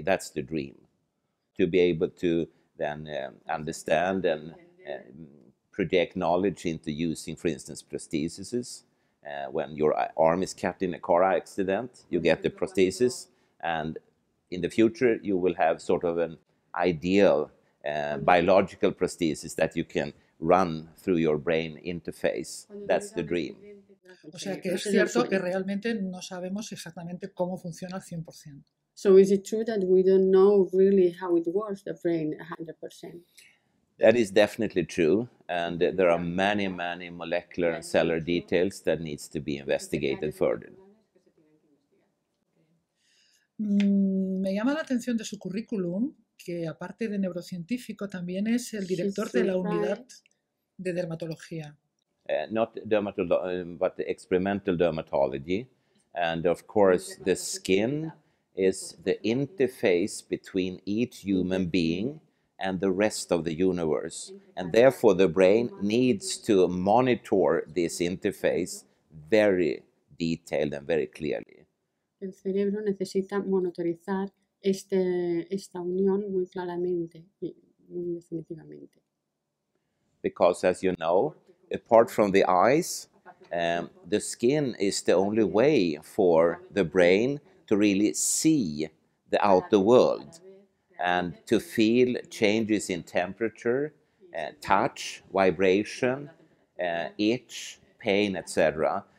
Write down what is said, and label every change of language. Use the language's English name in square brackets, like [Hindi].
[English] That's the dream, to be able to then understand and project knowledge into using, for instance, prostheses. When your arm is cut in a car accident, you get the prosthesis, and in the future you will have sort of an ideal biological prosthesis that you can run through your brain interface. That's the dream. [Spanish] O sea, que es cierto que realmente no sabemos exactamente cómo funciona al 100%. [English] So is it true that we don't know really how it works, the brain, 100%? That is definitely true, and there are many, many molecular and cellular details that needs to be investigated further. [Spanish] Me llama la atención de su currículum que, aparte de neurocientífico, también es el director de la unidad de dermatología. [English] Not dermatology, but experimental dermatology. And of course, the skin is the interface between each human being and the rest of the universe. And therefore, the brain needs to monitor this interface very detailed and very clearly. [Spanish] El cerebro necesita monitorizar esta unión muy claramente y muy definitivamente. [English] Because, as you know, apart from the eyes, the skin is the only way for the brain to really see the outer world and to feel changes in temperature, touch, vibration, itch, pain, etc.